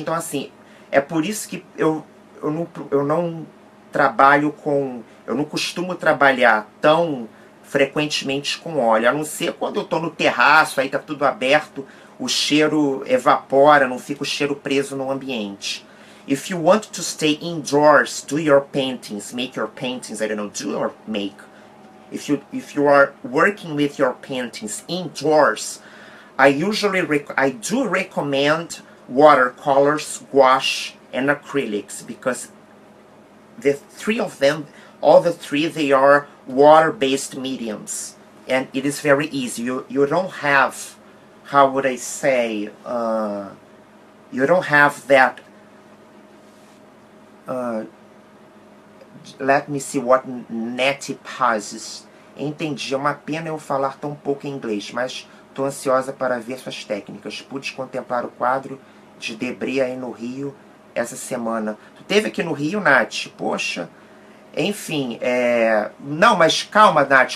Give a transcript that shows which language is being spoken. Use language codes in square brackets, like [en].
[pt] Então assim, é por isso que eu não costumo trabalhar tão frequentemente com óleo, a não ser quando eu estou no terraço, aí está tudo aberto, o cheiro evapora, não fica o cheiro preso no ambiente. [en] If you want to stay indoors, do your paintings, make your paintings, I don't know, do or make. If you are working with your paintings indoors, I do recommend watercolors, gouache, and acrylics, because the three of them, all the three, they are water-based mediums, and it is very easy. You don't have, how would I say, you don't have that, let me see what Neste passes. [pt] Entendi, é uma pena eu falar tão pouco em inglês, mas estou ansiosa para ver suas técnicas. Pude contemplar o quadro de Debré aí no Rio essa semana. Tu teve aqui no Rio, Nath? Poxa. Enfim, não, mas calma, Nath.